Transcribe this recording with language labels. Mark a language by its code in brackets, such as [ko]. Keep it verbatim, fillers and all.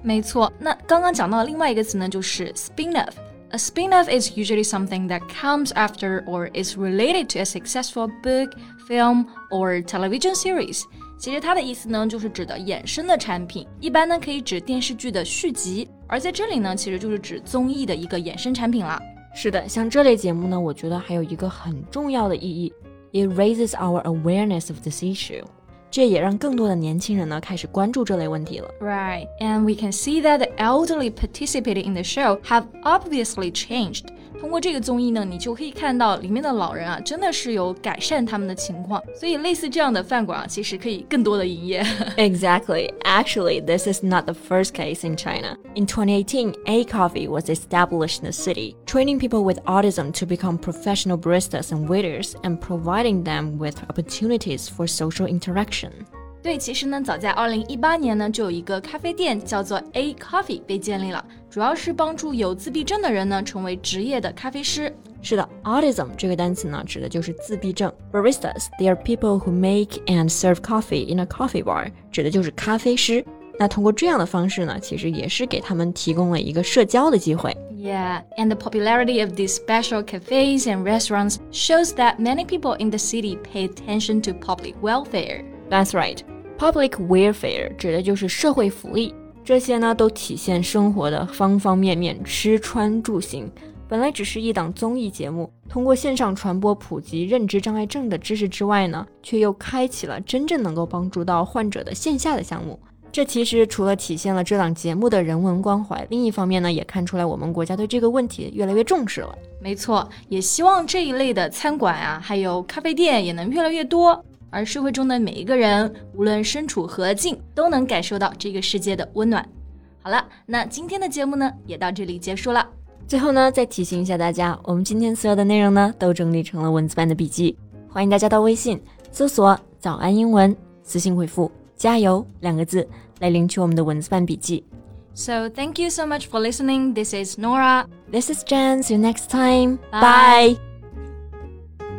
[zh] 没错，那刚刚讲到的另外一个词呢，就是 spin-off。 [en] A spin-off is usually something that comes after or is related to a successful book, film, or television series. [zh] 其实它的意思呢，就是指的衍生的产品，一般呢可以指电视剧的续集，而在这里呢，其实就是指综艺的一个衍生产品啦。是的，像这类节目呢，我觉得还有一个很重要的意义 [en] It raises our awareness of this issue. [zh] 这也让更多的年轻人呢开始关注这类问题了。 [en] Right, and we can see that the elderly participating in the show have obviously changed. [zh] 通过这个综艺呢，你就可以看到里面的老人啊，真的是有改善他们的情况。所以类似这样的饭馆啊，其实可以更多的营业。 [en] Exactly. Actually, this is not the first case in China. In twenty eighteen, A Coffee was established in the city, training people with autism to become professional baristas and waiters, and providing them with opportunities for social interaction. [zh] 对，其实呢，早在二零一八年呢，就有一个咖啡店叫做 A Coffee 被建立了，主要是帮助有自闭症的人呢，成为职业的咖啡师。是的 autism 这个单词呢指的就是自闭症 [en] Baristas, they are people who make and serve coffee in a coffee bar [zh] 指的就是咖啡师那通过这样的方式呢其实也是给他们提供了一个社交的机会 [en] Yeah, and the popularity of these special cafes and restaurants shows that many people in the city pay attention to public welfare That's right, [zh] public welfare 指的就是社会福利这些呢都体现生活的方方面面吃穿住行本来只是一档综艺节目，通过线上传播普及认知障碍症的知识之外呢，却又开启了真正能够帮助到患者的线下的项目。这其实除了体现了这档节目的人文关怀，另一方面呢，也看出来我们国家对这个问题越来越重视了。没错，也希望这一类的餐馆啊，还有咖啡店也能越来越多，而社会中的每一个人，无论身处何境，都能感受到这个世界的温暖。好了，那今天的节目呢，也到这里结束了。最后呢，再提醒一下大家，我们今天所有的内容呢，都整理成了文字版的笔记，欢迎大家到微信搜索“早安英文”，私信回复“加油”两个字来领取我们的文字版笔记。 [en] So thank you so much for listening. This is Nora. This is Jen. See you next time. Bye. Bye.